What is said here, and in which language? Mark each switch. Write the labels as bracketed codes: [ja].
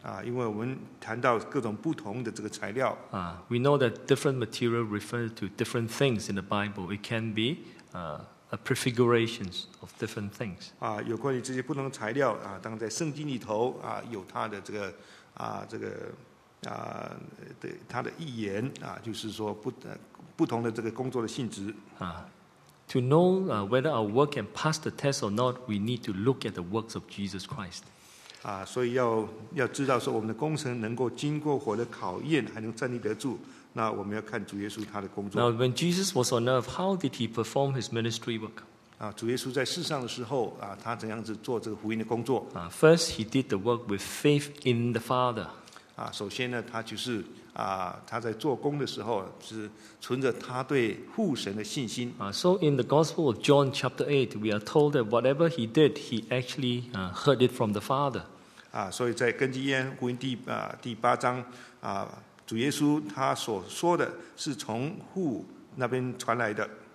[zh] 因为我们谈到各种不同的这个材料 [en] We know that different material refers to different things in the Bible. It can be a prefigurations of different things [zh] 有关于这些不同的材料当然在圣经里头有它的这个啊，这个啊，对他的预言啊，就是说不同的这个工作的性质啊。 [en] To know whether our work can pass the test or not, we need to look at the works of Jesus Christ. [zh] 啊，所以要知道说我们的工程能够经过火的考验，还能站立得住。那我们要看主耶稣他的工作。 [en] Now, when Jesus was on earth, how did he perform his ministry work? [zh] 啊，主耶稣在世上的时候啊，他怎样子做这个福音的工作？ [en] 啊 ，First, he did the work with faith in the Father. [zh] 啊，首先呢，他就是。他在做工的时候是存着他对父神的信心。 [en] So in the Gospel of John chapter 8, we are told that whatever he did, he actually heard it from the Father. [zh] 所以在根基耶福音第八章主耶稣他所说的是从父那边传来的。